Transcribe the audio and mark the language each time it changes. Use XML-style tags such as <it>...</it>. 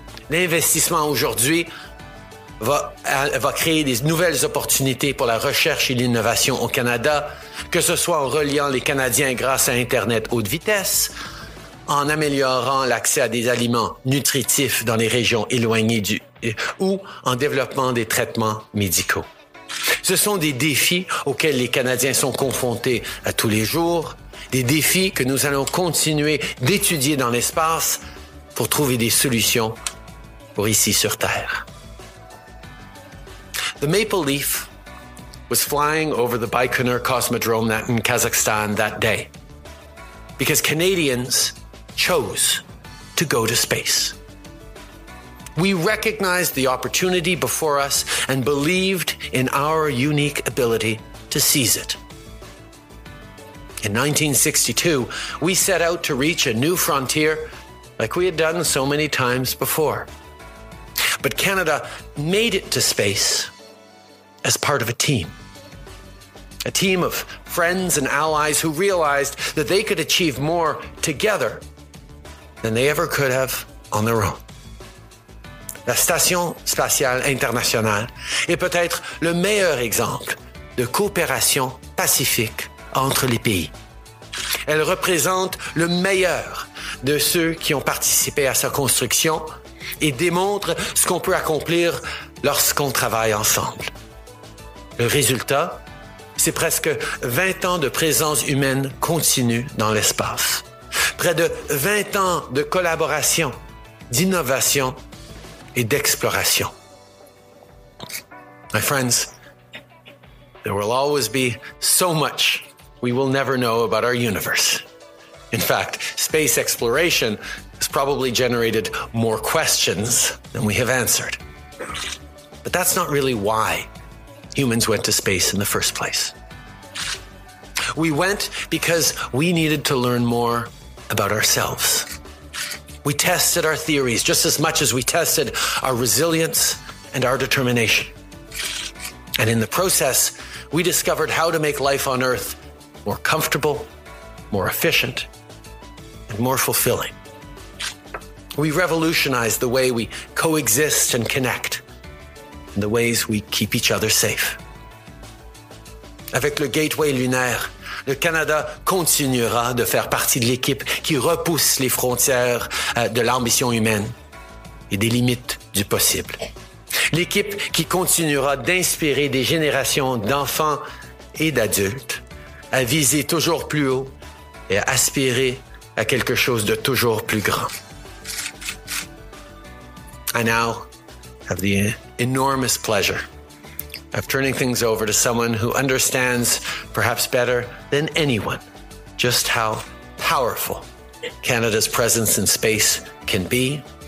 <fr>L'investissement aujourd'hui va créer des nouvelles opportunités pour la recherche et l'innovation au Canada, que ce soit en reliant les Canadiens grâce à Internet haute vitesse, en améliorant l'accès à des aliments nutritifs dans les régions éloignées ou en développant des traitements médicaux. Ce sont des défis auxquels les Canadiens sont confrontés à tous les jours, des défis que nous allons continuer d'étudier dans l'espace pour trouver des solutions pour ici sur Terre.</fr> <en>The Maple Leaf was flying over the Baikonur Cosmodrome in Kazakhstan that day because Canadians chose to go to space. We recognized the opportunity before us and believed in our unique ability to seize it. In 1962, we set out to reach a new frontier like we had done so many times before. But Canada made it to space as part of a team of friends and allies who realized that they could achieve more together than they ever could have on their own.</en> <fr>La Station Spatiale Internationale est peut-être le meilleur exemple de coopération pacifique entre les pays. Elle représente le meilleur de ceux qui ont participé à sa construction et démontre ce qu'on peut accomplir lorsqu'on travaille ensemble. Le résultat, c'est presque 20 ans de présence humaine continue dans l'espace. Près de 20 ans de collaboration, d'innovation et d'exploration.</fr> <en>My friends, there will always be so much we will never know about our universe. In fact, space exploration has probably generated more questions than we have answered. But that's not really why humans went to space in the first place. We went because we needed to learn more about ourselves. We tested our theories just as much as we tested our resilience and our determination. And in the process, we discovered how to make life on Earth more comfortable, more efficient, and more fulfilling. We revolutionized the way we coexist and connect, and the ways we keep each other safe.</en> <fr>Avec le Gateway lunaire, le Canada continuera de faire partie de l'équipe qui repousse les frontières de l'ambition humaine et des limites du possible. L'équipe qui continuera d'inspirer des générations d'enfants et d'adultes à viser toujours plus haut et à aspirer à quelque chose de toujours plus grand.</fr> <en>I now have the enormous pleasure of turning things over to someone who understands, perhaps better than anyone, just how powerful Canada's presence in space can be.</en>